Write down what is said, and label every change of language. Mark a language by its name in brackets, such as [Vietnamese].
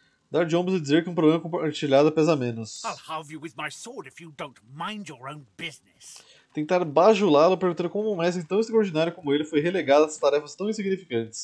[Portuguese] Dar de ombros e dizer que um problema compartilhado pesa menos. [English] I'll have you with my sword if you don't mind your own business. [Portuguese] Tentar bajulá-lo perguntando como um mestre tão extraordinário como ele foi relegado a essas tarefas tão insignificantes.